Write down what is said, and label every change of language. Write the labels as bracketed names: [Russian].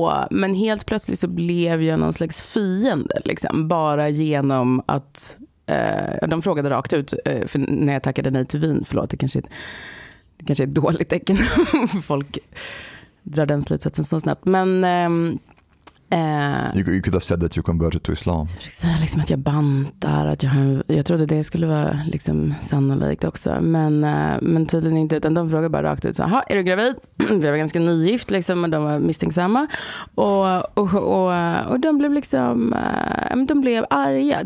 [Swedish] Men helt plötsligt så blev jag någon slags fiende. Liksom, bara genom att... de frågade rakt ut för när jag tackade nej till vin. Förlåt, det kanske är ett dåligt tecken. Folk drar den slutsatsen så snabbt. Men... [English] You could have said that you converted to Islam. [Swedish] Liksom att jag bantar, att jag, jag trodde det skulle vara liksom sannolikt också, men tydligen inte, utan de frågade bara rakt ut så, aha, är du gravid? Vi var ganska nygift liksom, och de var misstänksamma och de blev liksom, de blev arga.